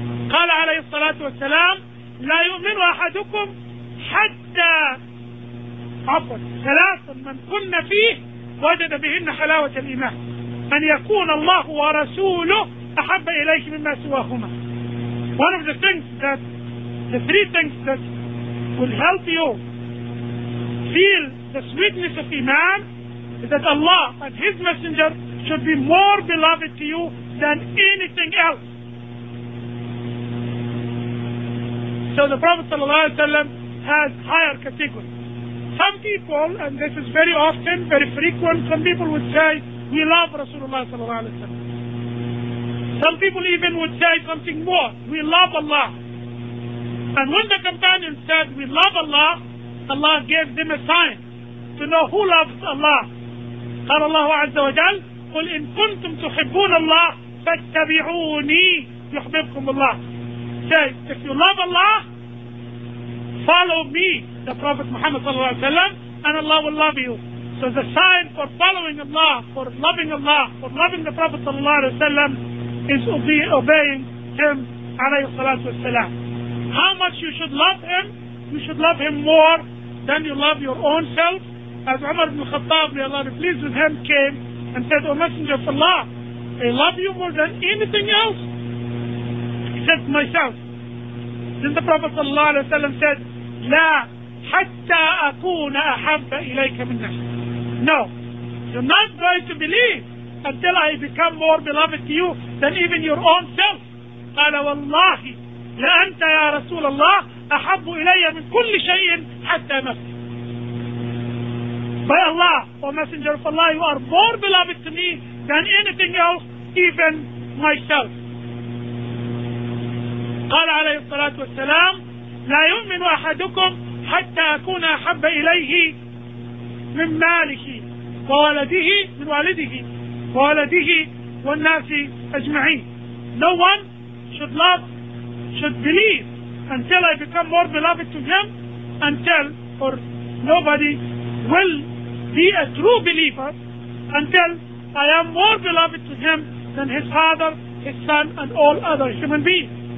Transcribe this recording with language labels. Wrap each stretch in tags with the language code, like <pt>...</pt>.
<ar>قال عليه الصلاة والسلام لا يؤمن أحدكم حتى عفوا ثلاث من كن فيه وجد بهن حلاوة الإيمان أن يكون الله ورسوله أحب إليه مما سواهما.</ar> <en>One of the things that the three things that will help you feel the sweetness of Iman is that Allah and His Messenger should be more beloved to you than anything else. So the Prophet ﷺ has higher categories. Some people, and this is very often, very frequent, some people would say, we love Rasulullah ﷺ. Some people even would say something more, we love Allah. And when the companion said, we love Allah, Allah gave them a sign to know who loves Allah.</en> <ar>قال الله عز وجل, قل إن كنتم تحبون الله فاتبعوني يحببكم الله.</ar> <en>Say, if you love Allah, follow me, the Prophet Muhammad sallallahu alayhi wa sallam, and Allah will love you. So the sign for following Allah, for loving Allah, for loving the Prophet sallallahu alayhi wa sallam, is obeying him alayhi salatu wa sallam. How much you should love him? You should love him more than you love your own self. As Umar ibn Khattab, may Allah be pleased with him, came and said, O Messenger of Allah, I love you more than anything else. Said myself. Then the Prophet sallallahu alaihi wasallam said,</en> <ar>لا حتى أكون أحب إليك من نفسي.</ar> <en>No, you're not going to believe until I become more beloved to you than even your own self.</en> <ar>قال والله لأنت يا رسول الله أحب إلي من كل شيء حتى نفسي.</ar> <en>By Allah, O Messenger of Allah, you are more beloved to me than anything else, even myself.</en> <ar>قال عليه الصلاة والسلام لا يؤمن أحدكم حتى أكون أحب إليه من ماله وولده من والده وولده والناس أجمعين.</ar> <en>No one should love, should believe until I become more beloved to him, until, or nobody will be a true believer until I am more beloved to him than his father, his son, and all other human beings.</en>